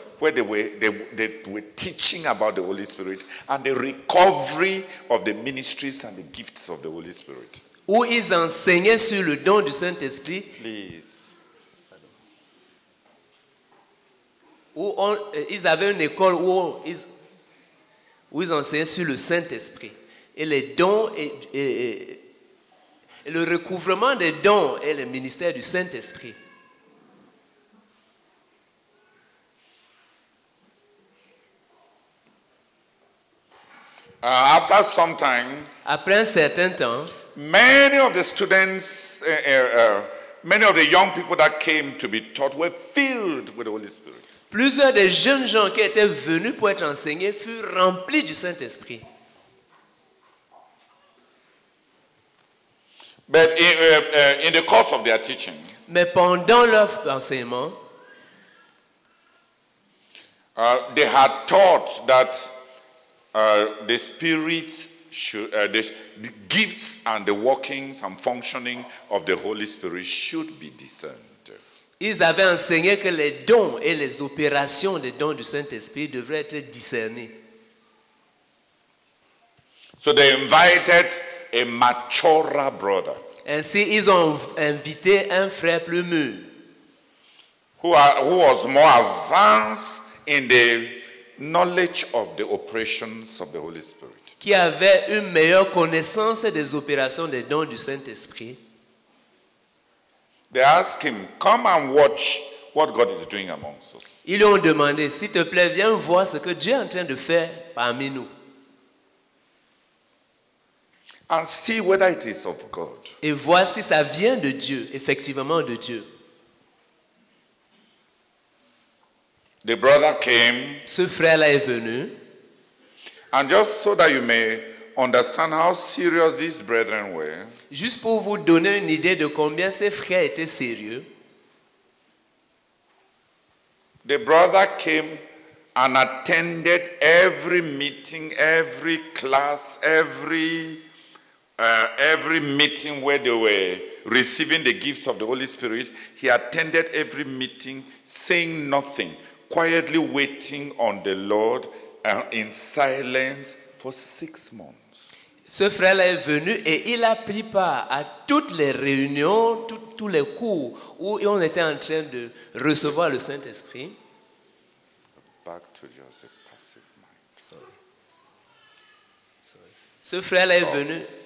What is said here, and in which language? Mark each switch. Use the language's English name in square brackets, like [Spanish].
[English] Where they were teaching about the Holy Spirit and the recovery of the ministries and the gifts of the Holy Spirit. [French] Où ils enseignaient sur le don du Saint-Esprit. [English] Please. [French] Ils avaient une école où ils enseignaient sur le Saint-Esprit. Et les dons et le recouvrement des dons et le ministère du Saint-Esprit. [English] After some time, [French] après un certain temps, [English] many of the students, many of the young people that came to be taught were filled with the Holy Spirit. [French] Plusieurs des jeunes gens qui étaient venus pour être enseignés furent remplis du Saint-Esprit. [English] But in the course of their teaching, [French] mais pendant leur enseignement, [English] they had taught that the Spirit should, the gifts and the workings and functioning of the Holy Spirit should be discerned. [French] Ils avaient enseigné que les dons et les opérations des dons du Saint-Esprit devraient être discernés. [English] So they invited a maturer brother. [French] Ainsi, ils ont invité un frère plus mûr. [English] Who was more advanced in the knowledge of the operations of the Holy Spirit. [French] Qui avait une meilleure connaissance des opérations des dons du Saint-Esprit. [English] They asked him, come and watch what God is doing amongst us. [French] Ils lui ont demandé, s'il te plaît, viens voir ce que Dieu est en train de faire parmi nous. [English] And see whether it is of God. [French] Et vois si ça vient de Dieu, effectivement de Dieu. [English] The brother came. [French] Ce frère-là est venu. [English] And just so that you may understand how serious these brethren were. [French] Juste pour vous donner une idée de combien ces frères étaient sérieux. [English] The brother came and attended every meeting, every class, every meeting where they were receiving the gifts of the Holy Spirit. He attended every meeting saying nothing. Quietly waiting on the Lord in silence for 6 months. [French] Ce frère-là est venu et il a pris part à toutes les réunions, tous les cours où on était en train de recevoir le Saint-Esprit. [English] Back to just a passive mind. Sorry. [French] Ce frère-là est venu.